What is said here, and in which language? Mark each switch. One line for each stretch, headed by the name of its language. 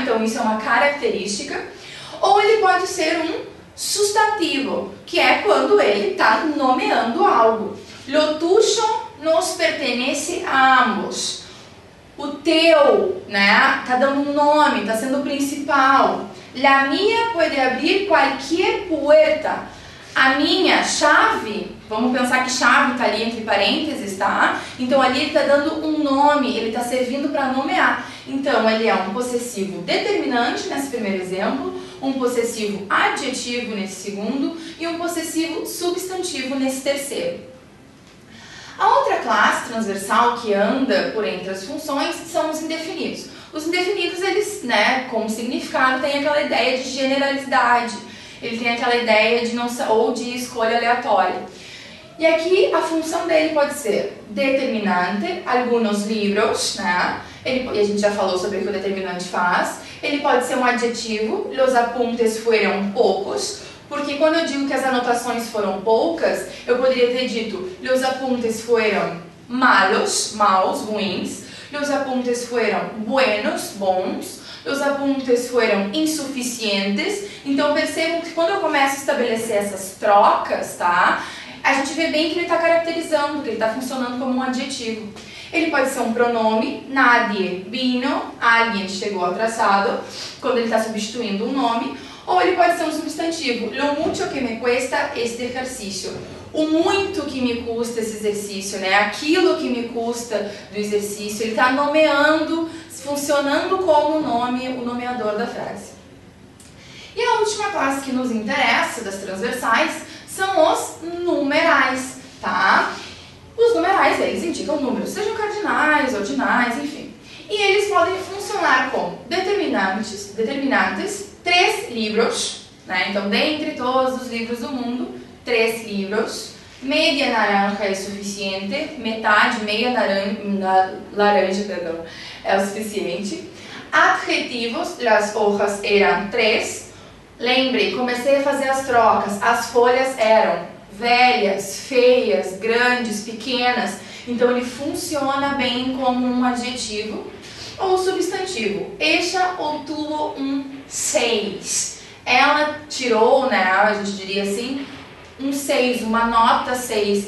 Portuguese: Então isso é uma característica. Ou ele pode ser um sustantivo, que é quando ele está nomeando algo.
Spanish: Lo tuyo nos pertenece a ambos.
Portuguese: O teu, né, está dando um nome, está sendo o principal.
Spanish: La mía puede abrir cualquier puerta.
Portuguese: A minha chave, vamos pensar que chave está ali entre parênteses, tá? Então ali ele está dando um nome, ele está servindo para nomear. Então ele é um possessivo determinante nesse primeiro exemplo, um possessivo adjetivo nesse segundo e um possessivo substantivo nesse terceiro. A outra classe transversal que anda por entre as funções são os indefinidos. Os indefinidos, eles, né, como significado, têm aquela ideia de generalidade. Ele tem aquela ideia de não ou de escolha aleatória. E aqui a função dele pode ser determinante, alguns livros, né? E a gente já falou sobre o que o determinante faz. Ele pode ser um adjetivo,
Spanish: los apuntes fueron pocos.
Portuguese: Porque quando eu digo que as anotações foram poucas, eu poderia ter dito
Spanish: los apuntes fueron malos,
Portuguese: maus, ruins.
Spanish: Los apuntes fueron buenos, bons.
Portuguese: Os apuntes foram insuficientes, então percebam que quando eu começo a estabelecer essas trocas, tá? A gente vê bem que ele está caracterizando, que ele está funcionando como um adjetivo. Ele pode ser um pronome,
Spanish: nadie vino, alguien
Portuguese: chegou atrasado, quando ele está substituindo um nome, ou ele pode ser um substantivo,
Spanish: lo mucho que me cuesta este ejercicio.
Portuguese: O muito que me custa esse exercício, né? Aquilo que me custa do exercício, ele está nomeando, funcionando como nome, o nomeador da frase. E a última classe que nos interessa das transversais são os numerais, tá? Os numerais, eles indicam números, sejam cardinais, ordinais, enfim. E eles podem funcionar como determinantes, três livros, né? Então, dentre todos os livros do mundo, três livros.
Spanish: Media naranja
Portuguese: é suficiente, metade, meia laranja, perdão, é o suficiente.
Spanish: Adjetivos, las hojas eran tres.
Portuguese: Lembre, comecei a fazer as trocas. As folhas eram velhas, feias, grandes, pequenas. Então ele funciona bem como um adjetivo ou substantivo.
Spanish: Ella obtuvo un 6.
Portuguese: Ela tirou, né, a gente diria assim, um 6, uma nota 6.